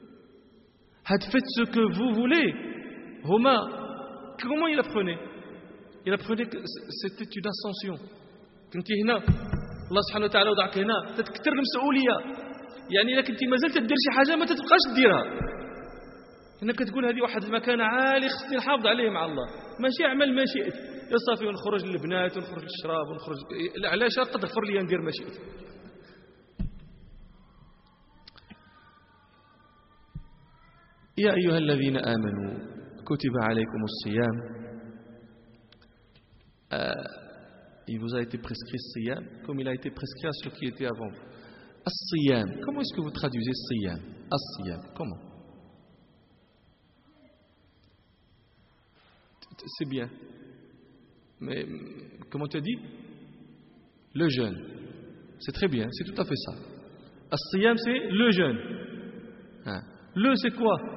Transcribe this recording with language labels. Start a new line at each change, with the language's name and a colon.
French: « Faites ce que vous voulez. » Romain, comment il apprenait? Il apprenait que c'était une ascension. Quand il est là, Allah subhanahu wa ta'ala, il est là, il est là.
Arabic: يعني لكن انت مازلت تدير شي حاجه ما تتبقاش ديرها انك تقول هذه واحد المكان عالي خصني نحافظ عليه مع الله ماشي اعمل ما شئت يا صافي ونخرج للبنات ونخرج للشراب ونخرج علاش قد غفر لي ندير ما شئت يا ايها الذين امنوا كتب عليكم الصيام
French: il vous a été prescrit
Arabic: الصيام
French: comme il a été prescrit à ceux qui étaient avant vous.
Arabic: As-siyam.
French: Comment est-ce que vous traduisez siyam? As-siyam. Comment? C'est bien. Mais comment tu as dit? Le jeûne. C'est très bien. C'est tout à fait ça. As-siyam, c'est le jeûne. Hein? Le, c'est quoi?